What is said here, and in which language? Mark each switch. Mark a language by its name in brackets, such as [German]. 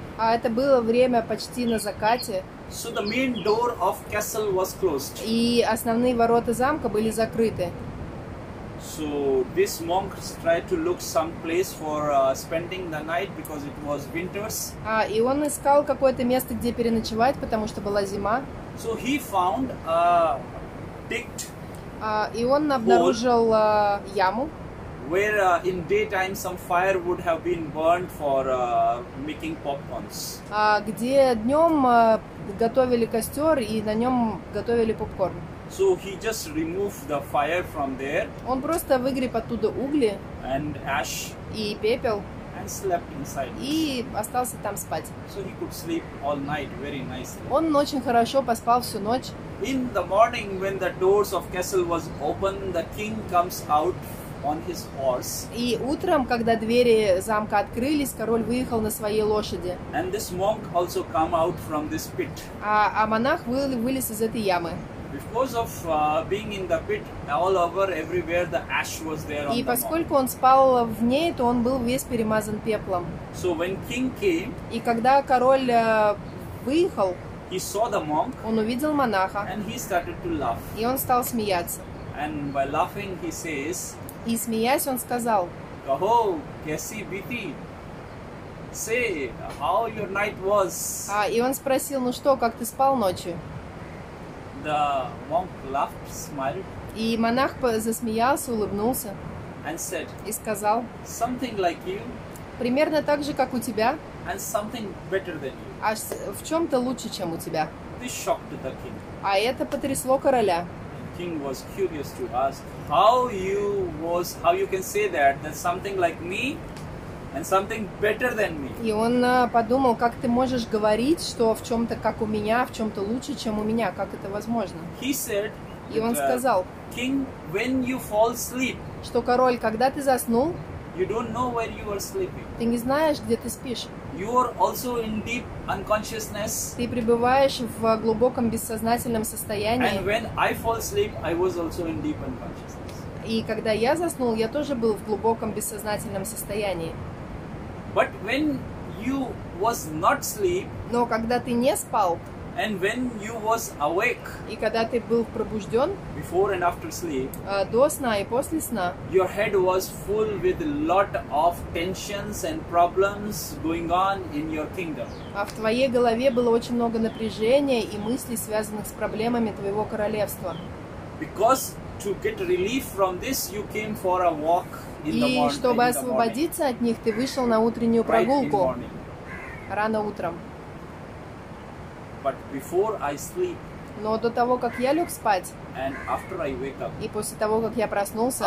[Russian] А это было время почти на закате. [English] So the main door of castle was closed. [Russian] И основные ворота замка были закрыты. [English] So this monk tried to look some place for spending the night because it was winters. [Russian] А и он искал какое-то место, где переночевать, потому что была зима. [English] So he found a digged. [Russian] И он обнаружил яму. [English] Where in daytime some fire would have been burned for making popcorns. [Russian] А где днем готовили костер и на нем готовили попкорн. [English] So he just removed the fire from there. [Russian] Он просто выгреб оттуда угли. [English] And ash. [Russian] И пепел. [English] And slept inside. [Russian] И остался там спать. [English] So he could sleep all night very nicely. [Russian] Он очень хорошо поспал всю ночь. [English] In the morning, when the doors of castle was open, the king comes out. On his horse. [Russian] И утром, когда двери замка открылись, король выехал на своей лошади. [English] And this monk also come out from this pit. [Russian] А монах вылез из этой ямы. [English] Because of being in the pit, all over, everywhere, the ash was there on the monk. [Russian] И поскольку он спал в ней, то он был весь перемазан пеплом. [English] So when king came. [Russian] И когда король выехал. [English] He saw the monk. [Russian] Он увидел монаха. [English] And he started to laugh. [Russian] И он стал смеяться. [English] And by laughing, he says. [Russian] И смеясь, он сказал: [Hindi] "Кахо, кэси бити, [English] say, how your night was?" [Russian] А и он спросил: "Ну что, как ты спал ночью?" [English] The monk laughed, smiled. [Russian] И монах засмеялся, улыбнулся. [English] And said. [Russian] И сказал: [English] "Something like you." [Russian] Примерно так же, как у тебя. [English] And something better than you. [Russian] А в чем-то лучше, чем у тебя. [English] This shocked the king. [Russian] А это потрясло короля. [English] King was curious to ask how you can say that something like me and something better than me. [Russian] И он подумал, как ты можешь говорить, что в чем-то как у меня, в чем-то лучше, чем у меня, как это возможно? [English] He said. [Russian] И он сказал. [English] King, when you fall asleep. [Russian] Что король, когда ты заснул? [English] You don't know where you are sleeping. [Russian] Ты не знаешь, где ты спишь. [English] You are also in deep unconsciousness. [Russian] Ты пребываешь в глубоком бессознательном состоянии. [English] And when I fall asleep, I was also in deep unconsciousness. [Russian] И когда я заснул, я тоже был в глубоком бессознательном состоянии. [English] But when you was not sleep. [Russian] Но когда ты не спал, [English] and when you was awake, [Russian] и когда ты был пробужден, [English] before and after sleep, [Russian] до сна и после сна, [English] your head was full with a lot of tensions and problems going on in your kingdom. [Russian] А в твоей голове было очень много напряжения и мыслей, связанных с проблемами твоего королевства. [English] Because to get relief from this, you came for a walk in the morning. [Russian] И чтобы освободиться от них, ты вышел на утреннюю прогулку рано утром. [English] But before I sleep, [Russian] но до того, как я лег спать, [English] and after I wake up, [Russian] и после того, как я проснулся,